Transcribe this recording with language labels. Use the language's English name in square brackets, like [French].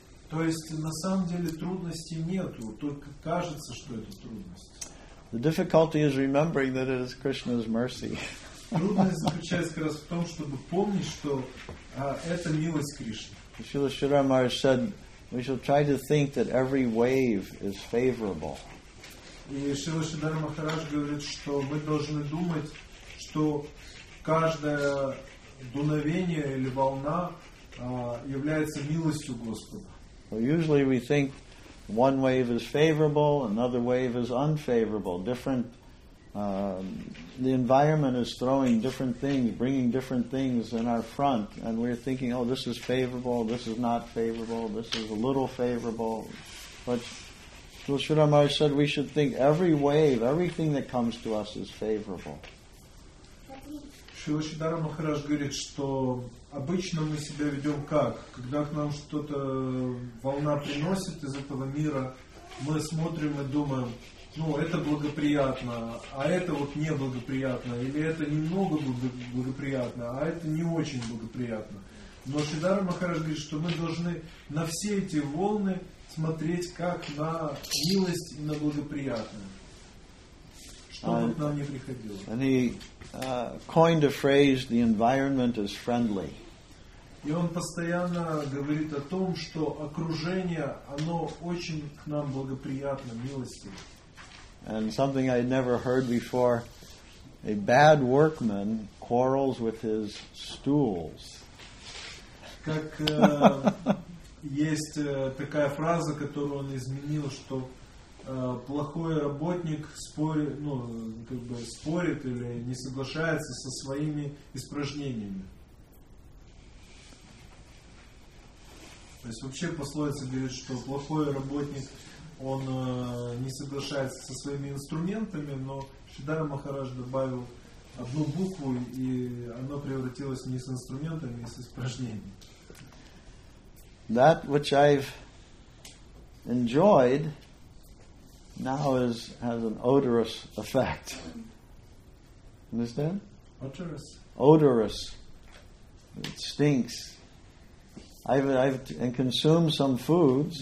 [Russian] То есть на самом деле трудностей нету, только кажется, что это трудность. [English] The difficulty is remembering that it is Krishna's mercy. [Russian] Трудность заключается как раз в том, чтобы помнить, что это милость Кришны. [English] Шрила Шрила Махарадж said, we shall try to think that every wave is favorable. [Russian] И Шрила Шрила Махарадж говорит, что мы должны думать, что каждое дуновение или волна является милостью Господа. [English] Well, usually we think one wave is favorable, another wave is unfavorable. Different, the environment is throwing different things, bringing different things in our front, and we're thinking, oh, this is favorable, this is not favorable, this is a little favorable. But Srila Shri Ramaraj said we should think every wave, everything that comes to us is favorable. [Russian] Шрила Сидхарта Махарадж говорит, что обычно мы себя ведем как? Когда к нам что-то волна приносит из этого мира, мы смотрим и думаем, ну, это благоприятно, а это вот неблагоприятно, или это немного благоприятно, а это не очень благоприятно. Но Шридхара Махарадж говорит, что мы должны на все эти волны смотреть как на милость и на благоприятное. Что бы к нам ни приходило. [English] And he coined a phrase, the environment is friendly. [Russian] И он постоянно говорит о том, что окружение, оно очень к нам благоприятно, милостиво. [English] And something I'd never heard before, a bad workman quarrels with his stools. [Russian] Как есть такая фраза, которую он изменил, что плохой работник спорит, ну, как бы спорит или не соглашается со своими испражнениями. То есть вообще пословица говорит, что плохой работник, он не соглашается со своими инструментами, но Шридхара Махарадж добавил одну букву, и оно превратилось не с инструментами, а с испражнением. [English] That which I've enjoyed now is, has an odorous effect. Understand? Odorous. Odorous. It stinks. I've and consumed some foods.